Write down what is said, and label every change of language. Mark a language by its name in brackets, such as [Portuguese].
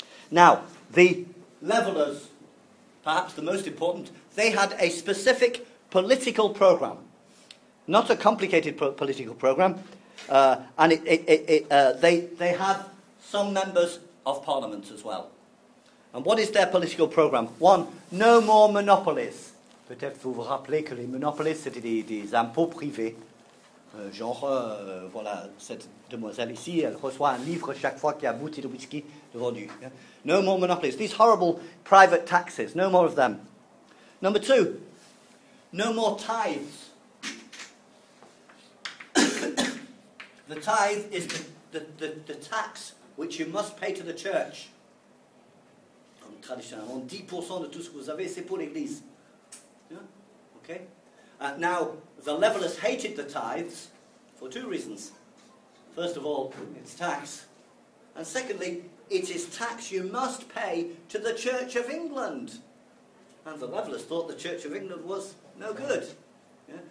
[English] Now, the Levellers, perhaps the most important, they had a specific political programme. Not a complicated political programme, and they have some members of Parliament as well. And what is their political programme? One, no more monopolies. [French] Peut-être vous vous rappelez que les monopolies, c'était des impôts privés. Voilà, cette demoiselle ici, elle reçoit un livre chaque fois qu'il y a bouteille de whisky de vendu. [English] Yeah? No more monopolies. These horrible private taxes, no more of them. Number two, no more tithes. The tithe is the tax which you must pay to the church. [French] Traditionnellement, 10% de tout ce que vous avez, c'est pour l'église. [English] Yeah? Okay. Now, the Levellers hated the tithes for two reasons. First of all, it's tax. And secondly, it is tax you must pay to the Church of England. And the Levellers thought the Church of England was no good. Yeah?